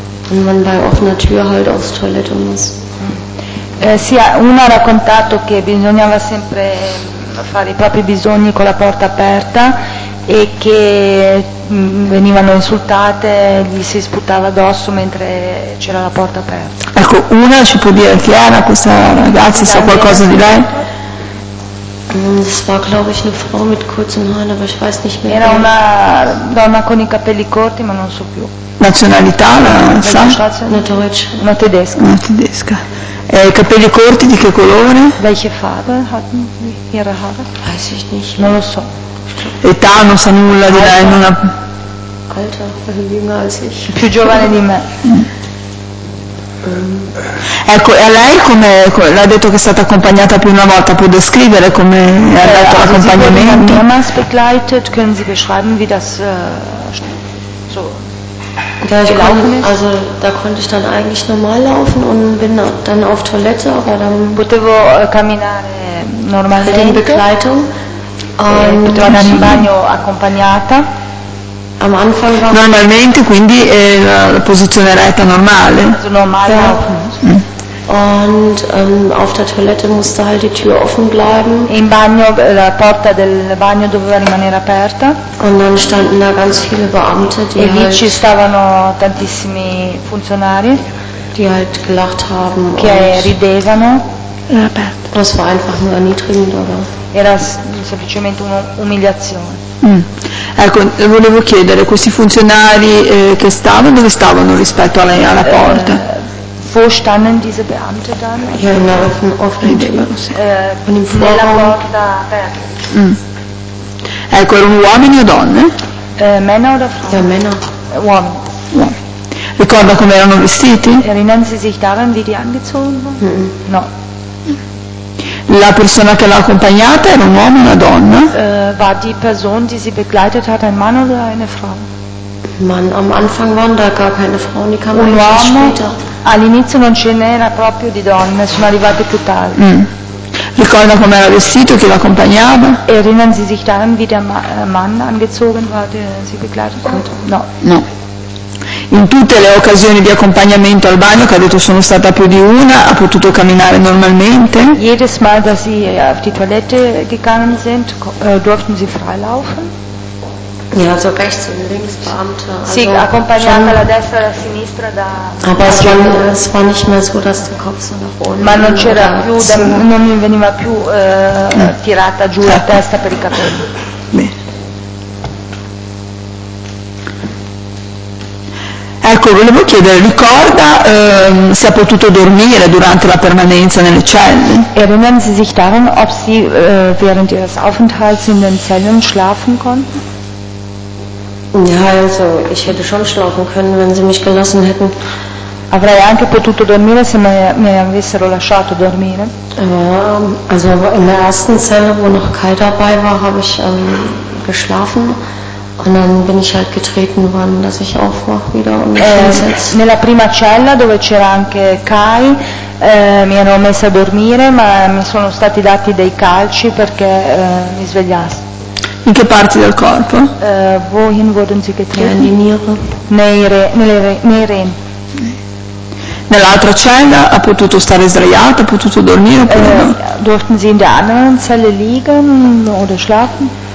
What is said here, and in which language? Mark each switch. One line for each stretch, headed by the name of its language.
German: Und man bei offener Tür halt aufs Toilette muss.
Italian: Sì, uno ha raccontato che bisognava sempre fare i propri bisogni con la porta aperta e che venivano insultate, gli si sputava addosso mentre c'era la porta aperta. Ecco, una ci può dire, Chiara, questa ragazza, sa qualcosa di lei?
German: Das war, glaube ich, eine Frau mit kurzen Haaren, aber ich weiß nicht mehr.
Italian: Era una donna con i capelli corti, ma non so più. Nazionalità, la sa? Una deutsche. Una tedesca. Una tedesca. Capelli corti di che colore?
German: Welche Farbe hatten ihre Haare? Weiß ich nicht.
Italian: Non lo so. Età, non sa nulla di lei. Non ha...
German: Alter, also jünger als ich.
Italian: Più giovane di me. Ecco, e a lei come l'ha detto che è stata accompagnata più una volta, può descrivere come è andato l'accompagnamento?
German: Mamas begleitet, können Sie beschreiben, wie das so gelaufen ist? Also, da konnte ich dann eigentlich normal laufen und bin dann auf Toilette, aber dann
Italian: potevo camminare normalmente.
German: In Begleitung.
Italian: Potevo andare in bagno accompagnata.
German: Am Anfang war
Italian: normalmente, quindi è la posizione eretta normale. Normale. Ja.
German: Und auf der Toilette musste halt die Tür offen bleiben.
Italian: In bagno, la porta del bagno doveva rimanere aperta.
German: Und dann standen da ganz viele Beamte, die e halt,
Italian: lì ci stavano tantissimi funzionari,
German: die halt gelacht haben,
Italian: che ridevano.
German: Das war einfach nur erniedrigend, oder?
Italian: Era semplicemente un'umiliazione. Ecco, volevo chiedere, questi funzionari che stavano, dove stavano rispetto alla, alla porta?
German: Wo standen diese Beamte dann? Ja, in der offenen
Italian: Nella porta aperta. Ecco, erano uomini o donne?
German: Männer oder Frauen? Ja, Männer.
Italian: Uomini.
German: Ja.
Italian: Ricorda come erano vestiti?
German: Erinnern Sie sich daran, wie die angezogen waren? No.
Italian: La persona che l'ha accompagnata era un uomo o una donna?
German: War die Person, die sie begleitet hat, ein Mann oder eine Frau? Mann, am Anfang waren da gar keine Frauen, die kamen
Italian: un uomo,
German: später.
Italian: All'inizio non ce n'era proprio di donne, sono arrivate più tardi. Ricorda come era vestito, chi l'accompagnava?
German: Erinnern Sie sich daran, wie der Mann angezogen war, der sie begleitet hat? No. No.
Italian: In tutte le occasioni di accompagnamento al bagno, che ha detto sono stata più di una, ha potuto camminare normalmente?
German: Jedes Mal, dass sie auf die Toilette gegangen sind, durften sie freilaufen? Ja, also rechts und links Beamte.
Italian: Sì,
German: also
Italian: accompagnata schon, alla destra e alla sinistra da.
German: Aber es war nicht mehr so, dass der Kopf so nach oben.
Italian: Ma non c'era più, da, non veniva più tirata giù la testa per i capelli. Bene. Ecco, volevo chiedere, ricorda se ha potuto dormire durante la permanenza nelle celle?
German: Erinnern Sie sich daran, ob Sie während Ihres Aufenthalts in den Zellen schlafen konnten? Ja, also, ich hätte schon schlafen können, wenn Sie mich gelassen hätten.
Italian: Avrei anche potuto dormire se mi avessero lasciato dormire?
German: Also, in der ersten Zelle, wo noch Kai dabei war, habe ich geschlafen. Und dann bin ich halt getreten worden, dass ich aufwach wieder und mich hinsetz.
Italian: Nella prima cella, dove c'era anche Kai, mi ero messa a dormire, ma mi sono stati dati dei calci perché mi svegliassi. In che parti del corpo?
German: Wohin wurden Sie getreten?
Italian: Nelle Niere. Nei reni. Nell'altra cella ha potuto stare sdraiata, ha potuto dormire oppure no?
German: Durften Sie in der anderen Zelle liegen oder schlafen?